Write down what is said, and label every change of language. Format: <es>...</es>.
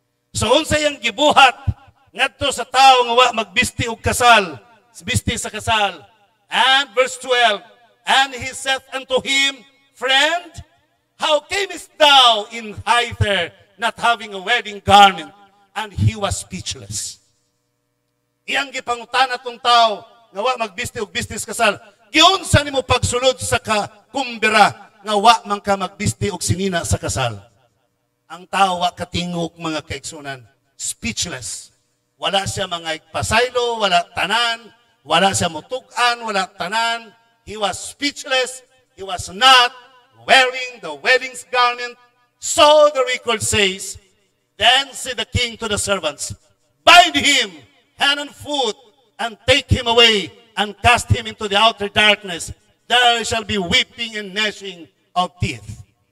<ceb>So, unsay ang gibuhat ngadto sa tao nga wa magbisti og kasal, bisti sa kasal.</ceb> <en>And verse 12, and he said unto him, friend, how camest thou in hither not having a wedding garment? And he was speechless.</en> <ceb>Iyang gipangutan atong tao nga wa magbisti og business kasal, giunsa nimo pagsulod sa kakumbira nga wa man ka magbisti og sinina sa kasal? Ang tao wa katingog, mga kaigsoonan, speechless. Wala siya mga ipasaylo, wala tanan, wala siya mutukan, wala tanan.</ceb> <en>He was speechless. He was not wearing the wedding's garment. So the record says, then said the king to the servants, bind him hand and foot and take him away and cast him into the outer darkness. There shall be weeping and gnashing of teeth.</en>